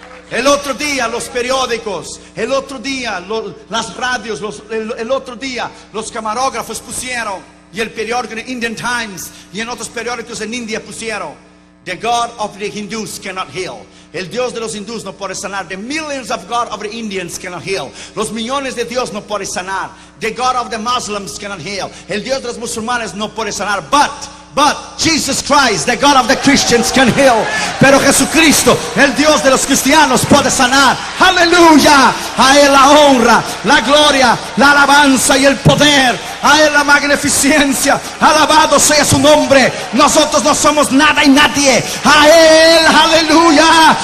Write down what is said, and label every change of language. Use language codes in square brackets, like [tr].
[es] El otro día los periódicos, el otro día las radios, el otro día los camarógrafos pusieron, y el periódico en Indian Times y en otros periódicos en India pusieron: [en] The God of the Hindus cannot heal. [es] El Dios de los hindús no puede sanar. [en] The millions of God of the Indians cannot heal. [es] Los millones de Dios no puede sanar. [en] The God of the Muslims cannot heal. [es] El Dios de los musulmanes no puede sanar. [en] But Jesus Christ, the God of the Christians, can heal. [es] Pero Jesucristo, el Dios de los cristianos, puede sanar. Aleluya. A Él la honra, la gloria, la alabanza y el poder. A Él la magnificencia. Alabado sea su nombre. Nosotros no somos nada y nadie. A Él, aleluya.